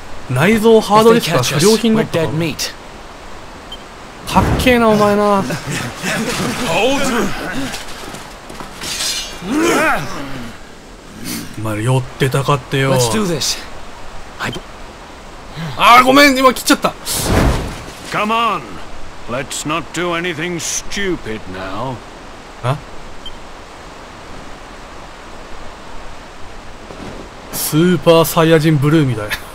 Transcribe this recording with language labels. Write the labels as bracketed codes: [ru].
[ja] 内臓ハードディスクは不良品だったかも。かっけえなお前な。お前寄ってたかってよ。 [en] Let's do this. [ja] あーごめん今切っちゃった。 [en] Come on. Let's not do anything stupid now. あ？ [ja] スーパーサイヤ人ブルーみたい。